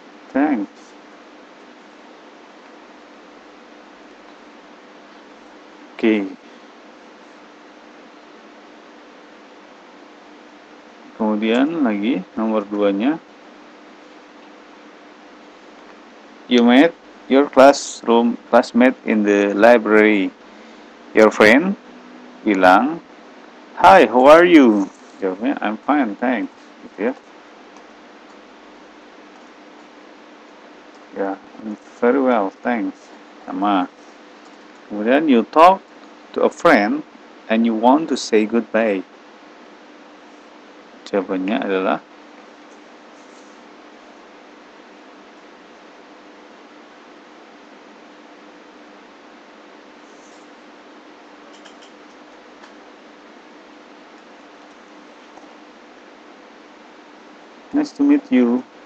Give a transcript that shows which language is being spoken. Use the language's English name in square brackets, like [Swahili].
[English] Thanks. Oke. Okay. [Indonesian] Kemudian lagi nomor 2-nya. [English] You met your classroom classmate in the library. Your friend [Indonesian] bilang, [English] "Hi, how are you?" [Indonesian] Jawabnya, [English] "I'm fine, thanks." [Indonesian] Gitu ya. [English] Yeah, I'm very well, thanks. [Indonesian] Sama. Kemudian [English] you talk to a friend and you want to say goodbye. [Indonesian] Jawabannya adalah [English] nice to meet you.